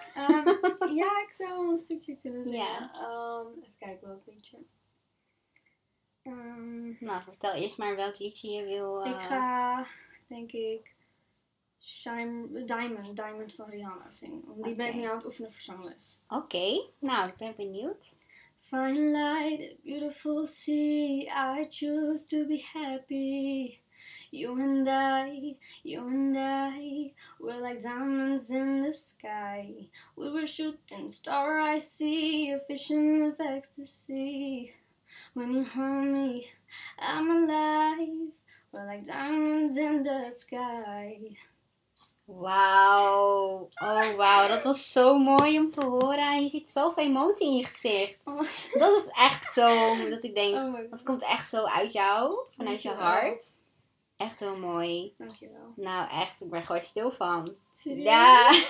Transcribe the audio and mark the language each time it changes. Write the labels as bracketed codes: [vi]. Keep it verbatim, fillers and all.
[nl] Ehm, ja, ik zou wel een stukje kunnen zingen. Ja. Ehm, even kijken welk liedje. Ehm, Nou, vertel eerst maar welk liedje je wil. eh, Ik ga, denk ik, Shine, Diamond, Diamond van Rihanna zingen. Want die ben ik Oké. nu aan het oefenen voor zangles. Oké, nou, ik ben benieuwd. [en] Fine light, a beautiful sea, I choose to be happy. You and I, you and I, we're like diamonds in the sky. We were shooting star, I see, a vision of ecstasy. When you hold me, I'm alive. We're like diamonds in the sky. [nl] Wauw. Oh, wauw. Dat was zo mooi om te horen. En je ziet zoveel emotie in je gezicht. Oh, Dat is echt zo, dat ik denk, [en] oh my god. [nl] dat komt echt zo uit jou. Vanuit je Dankjewel. hart. Echt heel mooi. Dankjewel. Nou, echt. Ik ben er gewoon stil van. Serieus? Ja,